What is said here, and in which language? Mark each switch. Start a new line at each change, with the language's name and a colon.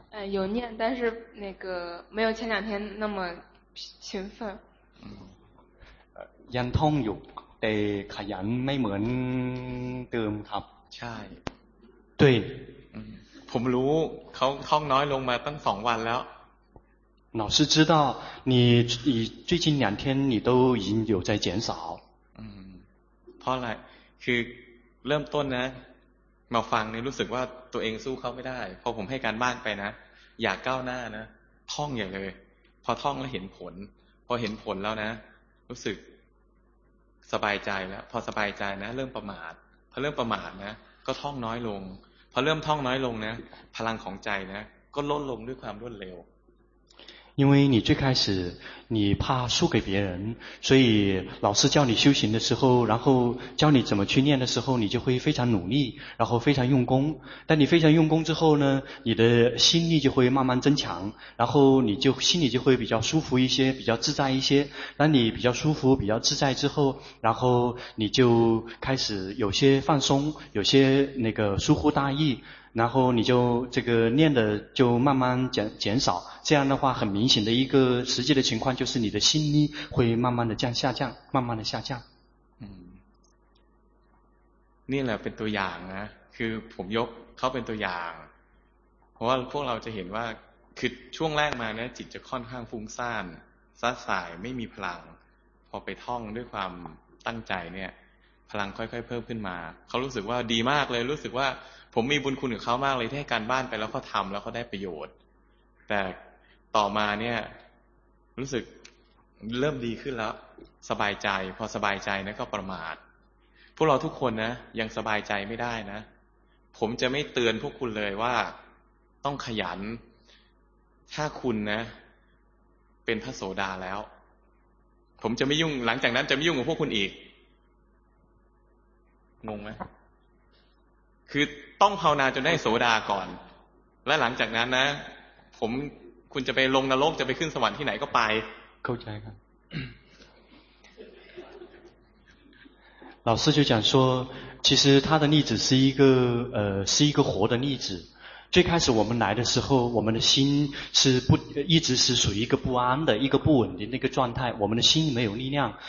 Chinese: 有念但是那个没有前两天那么勤奋
Thai: ยังท่องอยู่แต่ขยันไม่เหมือนเดิมครับ ใช่
Chinese: 对
Thai: ผมรู้เขาท่องน้อยลงมาตั้งสองวันแล้ว
Chinese: 老师知道你最近两天你都已经有在减少
Thai: เพราะอะไรคือเริ่มต้นนะมาฟังเนี่ยรู้สึกว่าตัวเองสู้เขาไม่ได้พอผมให้การบ้านไปนะอยากก้าวหน้านะท่องอย่างเลยพอท่องแล้วเห็นผลพอเห็นผลแล้วนะรู้สึกสบายใจแล้วพอสบายใจนะเริ่มประมาทพอเริ่มประมาทนะก็ท่องน้อยลงพอเริ่มท่องน้อยลงนะพลังของใจนะก็ลดลงด้วยความรวดเร็ว
Chinese: 因为你最开始你怕输给别人所以老师教你修行的时候然后教你怎么去念的时候你就会非常努力然后非常用功但你非常用功之后呢你的心力就会慢慢增强然后你就心里就会比较舒服一些比较自在一些当你比较舒服比较自在之后然后你就开始有些放松有些那个疏忽大意然后你就这个念的就慢慢减少这样的话很明显的一个实际的情况就是你的心力会慢慢的降下降慢慢的下降
Thai: นี่แหละเป็นตัวอย่างนะคือผมยกเขาเป็นตัวอย่างเพราะว่าพวกเราจะเห็นว่าคือช่วงแรกมาเนี่ยจิตจะค่อนข้างฟุ้งซ่านซัดสายไม่มีพลังพอไปท่องด้วยความตั้งใจเนี่ยพลังค่อยๆเพิ่มขึ้นมาเขารู้สึกว่าดีมากเลยรู้สึกว่าผมมีบุญคุณกับเขามากเลยที่ให้การบ้านไปแล้วเขาทำแล้วเขาได้ประโยชน์แต่ต่อมาเนี่ย รู้สึกเริ่มดีขึ้นแล้วสบายใจพอสบายใจนะก็ประมาทพวกเราทุกคนนะยังสบายใจไม่ได้นะผมจะไม่เตือนพวกคุณเลยว่าต้องขยัน ถ้าคุณนะเป็นพระโสดาแล้วผมจะไม่ยุ่งหลังจากนั้นจะไม่ยุ่งกับพวกคุณอีกงงไหมคือต้องภาวนาจนได้โสดาก่อนและหลังจากนั้นนะผมคุณจะไปลงนรกจะไปขึ้นสวรรค์ที่ไหนก็ไป เข้าใจครับ
Chinese: 老师就讲说，其实他的例子是一个是一个活的例子。最开始我们来的时候，我们的心是不一直是属于一个不安的一个不稳定的一个状态，我们的心没有力量。